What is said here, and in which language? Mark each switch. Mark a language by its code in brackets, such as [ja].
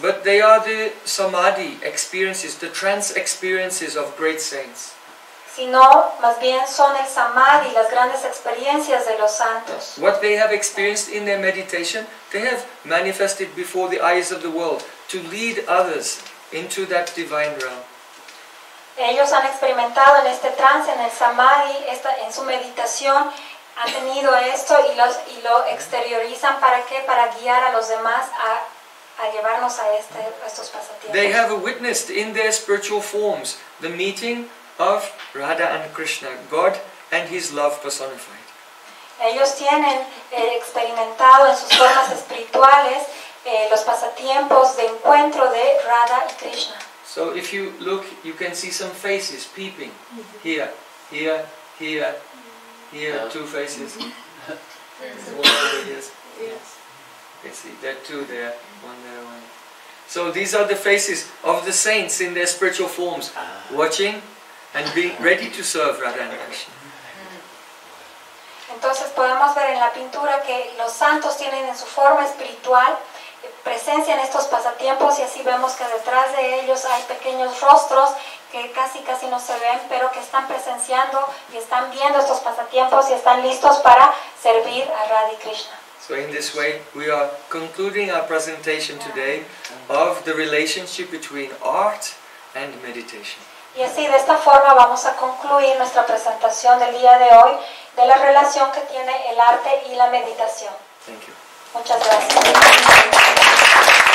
[en] But they are the samadhi experiences, the trance experiences of great saints. [es] Sino, más bien son el samadhi, las grandes experiencias de los santos. [en] What they have experienced in their meditation, they have manifested before the eyes of the world to lead others into that divine realm. [es] Ellos han experimentado en este trance, en el samadhi, en su meditación, han tenido esto y lo exteriorizan, ¿para qué? Para guiar a los demás a llevarnos a estos pasatiempos. [en] They have witnessed in their spiritual forms the meeting of Radha and Krishna, God and His love personified. [es] Ellos tienen experimentado en sus formas espirituales los pasatiempos de encuentro de Radha y Krishna. [en] So if you look, you can see some faces peeping here, two faces. Yes, I see that two there, one there, one. So these are the faces of the saints in their spiritual forms, watching and being ready to serve Radha and Krishna. [es] Entonces podemos ver en la pintura que los santos tienen en su forma espiritual presencia en estos pasatiempos, y así vemos que detrás de ellos hay pequeños rostros que casi no se ven, pero que están presenciando y están viendo estos pasatiempos y están listos para servir a Radha y Krishna. [en] So in this way we are concluding our presentation today of the relationship between art and meditation. [es] Y así, de esta forma, vamos a concluir nuestra presentación del día de hoy de la relación que tiene el arte y la meditación. [en] Thank you. [es] Muchas gracias.